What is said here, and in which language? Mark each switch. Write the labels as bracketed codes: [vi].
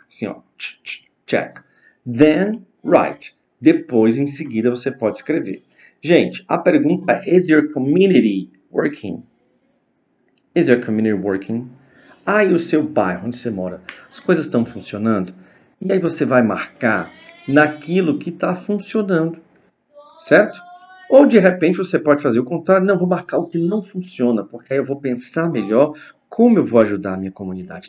[pt] Assim, ó, [en] check. Then write. [pt] Depois, em seguida, você pode escrever. Gente, a pergunta é, [en] is your community working? Is your community working? [pt] Ah, e o seu bairro, onde você mora? As coisas estão funcionando? E aí você vai marcar naquilo que está funcionando, certo? Ou de repente você pode fazer o contrário, não, vou marcar o que não funciona, porque aí eu vou pensar melhor como eu vou ajudar a minha comunidade.